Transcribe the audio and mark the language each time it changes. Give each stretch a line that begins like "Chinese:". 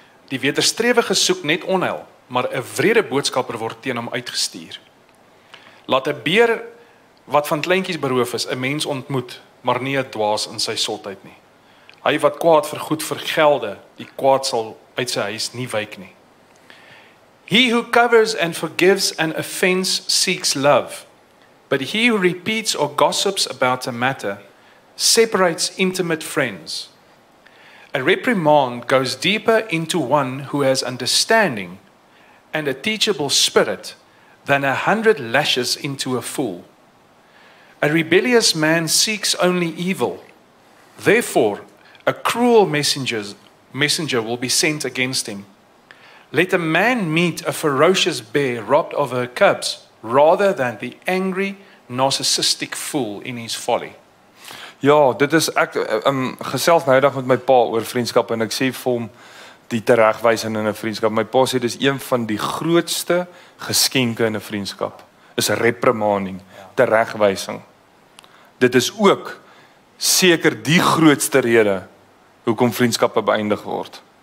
Afrikaans: Die wederstrewige soek net onheil, maar 'n wrede boodskapper word teen hom uitgestuur. Laat 'n beer wat van kleintjies beroof is, 'n mens ontmoet, maar nie 'n dwaas in sy sotheid nie. Hy wat kwaad vir goed vergelde, die kwaad sal uit sy huis nie wyk nie.
English: He who covers and forgives an offense seeks love, but he who repeats or gossips about a matter separates intimate friends. A reprimand goes deeper into one who has understanding and a teachable spirit than 100 lashes into a fool. A rebellious man seeks only evil. Therefore, a cruel messenger will be sent against him. Let a man meet a ferocious bear robbed of her cubs rather than the angry, narcissistic fool in his folly.
Afrikaans: Ja, dit is ek gesels nou vandag met my pa oor vriendskap en ek sê vir hom die teregwysing in 'n vriendskap. My pa sê dis een van die grootste geskenke in 'n vriendskap. Is 'n reprimanding, teregwysing. Dit is ook seker die grootste rede hoekom vriendskappe beëindig word.